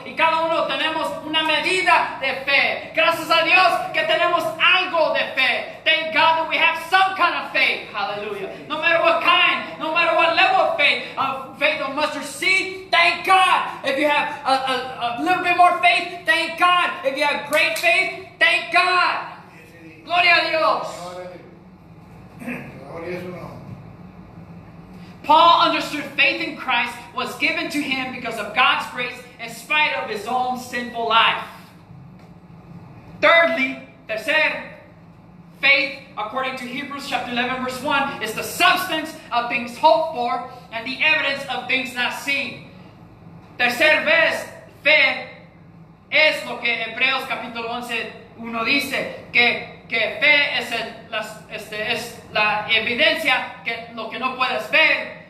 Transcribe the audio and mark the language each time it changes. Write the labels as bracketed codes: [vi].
[es] Y cada uno tenemos una medida de fe. Gracias a Dios que tenemos algo de fe. [en] Thank God that we have some kind of faith. Hallelujah. No matter what kind. No matter what level of faith or mustard seed. Thank God. If you have a little bit more faith, thank God. If you have great faith, thank God. [es] Gloria a Dios. [en] Gloria a Dios. Paul understood faith in Christ was given to him because of God's grace in spite of his own sinful life. Thirdly, tercer, faith, according to Hebrews chapter 11, verse 1, is the substance of things hoped for and the evidence of things not seen. [es] Tercer vez, fe es lo que Hebreos capítulo 11:1 dice, que fe es, es la evidencia que lo que no puedes ver.